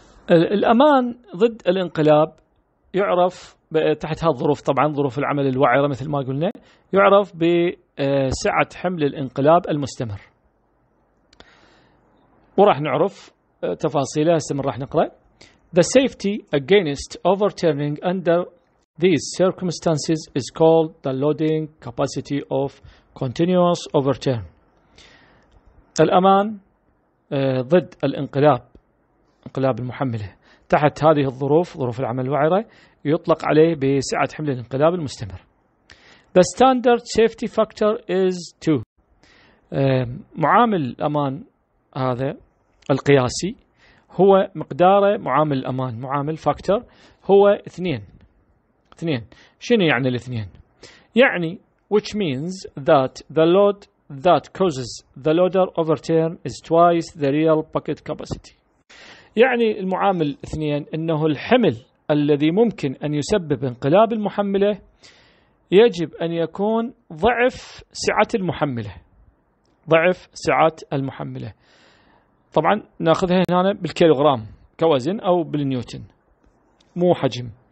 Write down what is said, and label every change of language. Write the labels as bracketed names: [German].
[Arabic] الأمان ضد الانقلاب يعرف تحت هالظروف، طبعا ظروف العمل الوعرة مثل ما قلنا، يعرف بسعة حمل الانقلاب المستمر، وراح نعرف تفاصيلها استمر راح نقرأ. [English] The safety against overturning under these circumstances is called the loading capacity of continuous overturn. [Arabic] الأمان ضد الانقلاب، انقلاب المحملة تحت هذه الظروف، ظروف العمل الوعرة، يطلق عليه بسعة حمل الانقلاب المستمر. [English] The standard safety factor is 2. [Arabic] معامل الأمان هذا القياسي هو مقداره، معامل الأمان معامل فاكتور هو 2. شنو يعني الاثنين؟ يعني [English] which means that the load that causes the loader overturn is twice the real bucket capacity. [Arabic] يعني المعامل 2 أنه الحمل الذي ممكن أن يسبب انقلاب المحملة يجب أن يكون ضعف سعة المحملة. ضعف سعات المحملة. طبعا ناخذها هنا بالكيلوغرام كوزن أو بالنيوتن مو حجم.